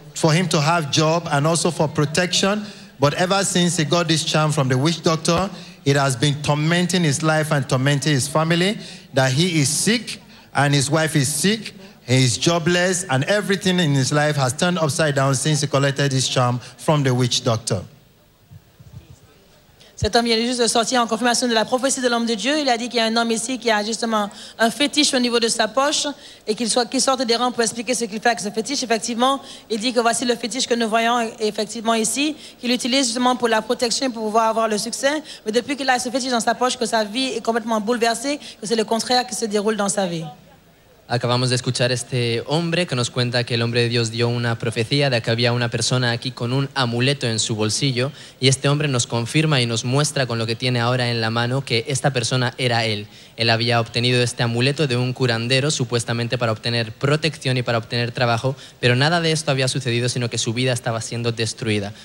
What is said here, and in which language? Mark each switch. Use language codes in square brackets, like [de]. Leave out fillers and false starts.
[en] for him to have job and also for protection. But ever since he got this charm from the witch doctor, it has been tormenting his life and tormenting his family, that he is sick and his wife is sick, he is jobless, and everything in his life has turned upside down since he collected this charm from the witch doctor. [fr] Cet homme vient juste de sortir en confirmation de la prophétie de l'homme de Dieu. Il a dit qu'il y a un homme ici qui a justement un fétiche au niveau de sa poche et qu'il sorte des rangs pour expliquer ce qu'il fait avec ce fétiche. Effectivement, il dit que voici le fétiche que nous voyons effectivement ici, qu'il utilise justement pour la protection, pour pouvoir avoir le succès. Mais depuis qu'il a ce fétiche dans sa poche, que sa vie est complètement bouleversée, que c'est le contraire qui se déroule dans sa vie. [es] Acabamos de escuchar este hombre que nos cuenta que el hombre de Dios dio una profecía de que había una persona aquí con un amuleto en su bolsillo y este hombre nos confirma y nos muestra con lo que tiene ahora en la mano que esta persona era él. Él había obtenido este amuleto de un curandero supuestamente para obtener protección y para obtener trabajo, pero nada de esto había sucedido sino que su vida estaba siendo destruida.